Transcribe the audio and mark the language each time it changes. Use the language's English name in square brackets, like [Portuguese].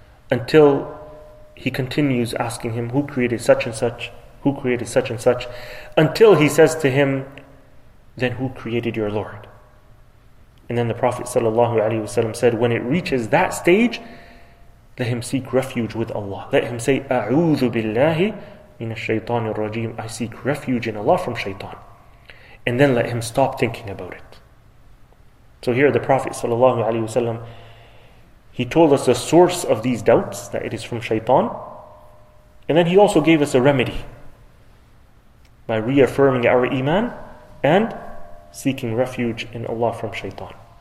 [English] Until he continues asking him, who created such and such? Who created such and such? Until he says to him, then who created your Lord? And then the Prophet ﷺ said, when it reaches that stage, let him seek refuge with Allah. Let him say, [Arabic] أعوذ بالله من الشيطان الرجيم. [English] I seek refuge in Allah from shaytan. And then let him stop thinking about it. So here the Prophet ﷺ, he told us the source of these doubts, that it is from shaytan. And then he also gave us a remedy by reaffirming our iman and seeking refuge in Allah from shaytan.